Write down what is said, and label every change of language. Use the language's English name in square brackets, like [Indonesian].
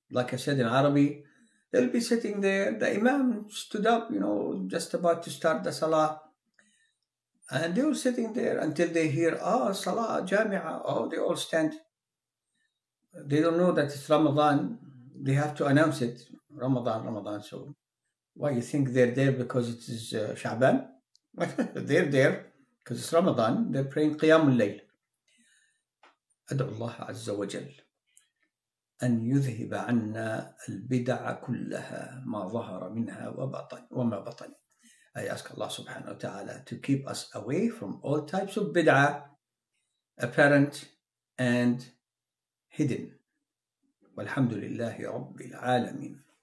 [English] Like I said in Arabic, they'll be sitting there, the imam stood up, you know, just about to start the salah, and they were sitting there until they hear, oh, salah, jami'a, oh, they all stand. They don't know that it's Ramadan. They have to announce it, Ramadan, Ramadan. So why you think they're there because it is Sha'ban? They're there because it's Ramadan. They're praying Qiyam al-Layl. [Arabic] أدعو الله عز وجل أن يذهب عنا البدع كلها ما ظهر منها وبطن وما بطن. [English] I ask Allah subhanahu wa ta'ala to keep us away from all types of bid'ah, apparent and hidden. [Arabic] والحمد لله رب العالمين.